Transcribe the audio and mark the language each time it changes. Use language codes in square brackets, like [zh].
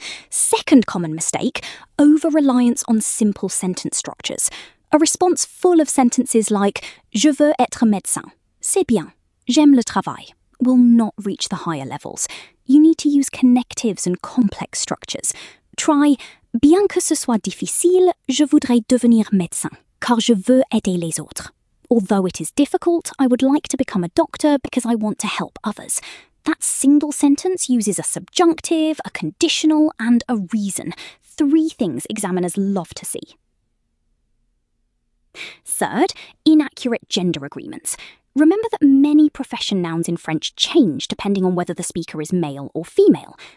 [en] Second common mistake, over-reliance on simple sentence structures. A response full of sentences like [fr] "Je veux être médecin," "C'est bien," "J'aime le travail," [en] will not reach the higher levels. You need to use connectives and complex structures. Try [fr] "Bien que ce soit difficile, je voudrais devenir médecin, car je veux aider les autres." [en] Although it is difficult, I would like to become a doctor because I want to help others. That single sentence uses a subjunctive, a conditional, and a reason. Three things examiners love to see. Third, inaccurate gender agreements. Remember that many profession nouns in French change depending on whether the speaker is male or female.